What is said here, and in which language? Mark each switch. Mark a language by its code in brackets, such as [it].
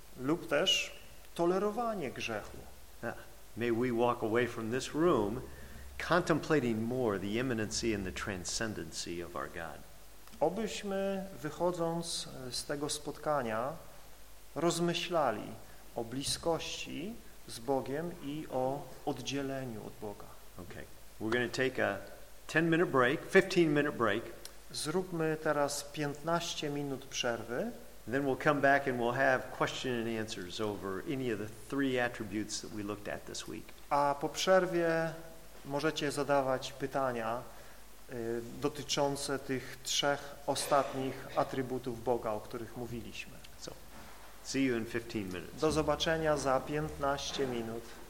[pl] Lub też tolerowanie grzechu. [en] May we walk away from this room contemplating more the imminency and the transcendency of our God. [pl] Obyśmy wychodząc z tego spotkania rozmyślali o bliskości z Bogiem i o oddzieleniu od Boga. [en] Okay. We're going to take a 10-minute break, 15-minute break. [pl] Zróbmy teraz 15 minut przerwy. [en] And then we'll come back and we'll have question and answers over any of the three attributes that we looked at this week. [pl] A po przerwie możecie zadawać pytania dotyczące tych trzech ostatnich atrybutów Boga, o których mówiliśmy. [en] So, see you in 15 minutes. [pl] Do zobaczenia za 15 minut.